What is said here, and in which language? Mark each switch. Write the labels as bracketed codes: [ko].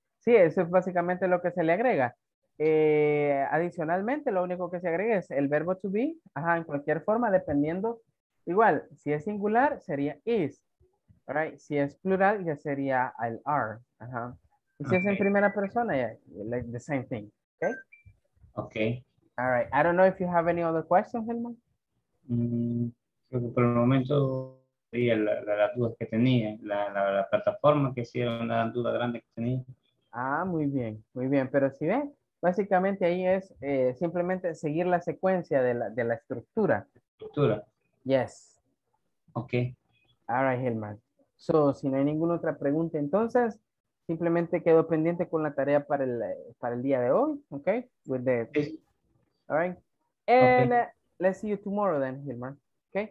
[es] Sí, eso es básicamente lo que se le agrega. Adicionalmente, lo único que se agrega es el verbo to be, ajá, en cualquier forma, dependiendo, igual, si es singular, sería is, right? Si es plural, ya sería el are, ajá. Y si es en primera persona, ya, [en] like the same thing, okay? Okay. All right, I don't know if you have any other questions, Helman. [es] Por el momento, sí, las dudas que tenía, la plataforma que sí era una duda grande que tenía. Ah, muy bien, pero si ve. Básicamente ahí es simplemente seguir la secuencia de la estructura. Estructura. [en] Yes. Ok. All right, Helman. [es] So, si no hay ninguna otra pregunta, entonces, simplemente quedo pendiente con la tarea para el día de hoy. [en] Ok. With the... Okay. All right. And okay. Let's see you tomorrow then, Helman. Ok.